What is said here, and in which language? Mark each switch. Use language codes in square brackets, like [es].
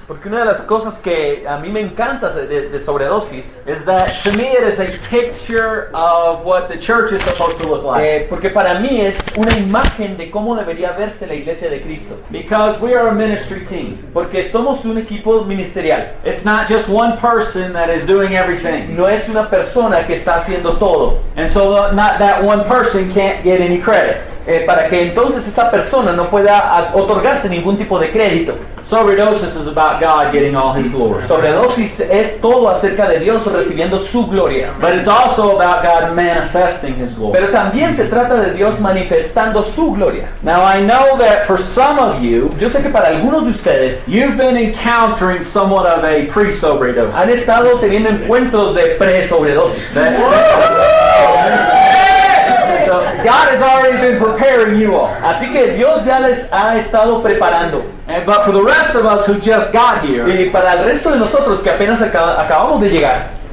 [es] porque una de las cosas que a mí me encanta de sobredosis, [en] is that to me it is a picture of what the church is supposed to look like. [es] Porque para mí es una imagen de cómo debería verse la iglesia de Cristo. [en] Because we are a ministry team. [es] Porque somos un equipo ministerial. [en] It's not just one person that is doing everything. [es] No es una persona que está haciendo todo. [en] And so the, not that one person can't get any credit. [es] Para que entonces esa persona no pueda otorgarse ningún tipo de crédito. [en] Sobredosis is about God getting all his glory. [es] Sobredosis es todo acerca de Dios recibiendo su gloria. [en] But it's also about God manifesting his glory. [es] Pero también se trata de Dios manifestando su gloria. [en] Now I know that for some of you, [es] yo sé que para algunos de ustedes, [en] you've been encountering somewhat of a pre-sobredosis. [es] Han estado teniendo encuentros de pre-sobredosis. [en] God has already been preparing you all. [es] Así que Dios ya les ha estado preparando. [en] But for the rest of us who just got here, [es] y para el resto de nosotros que apenas acabamos de llegar,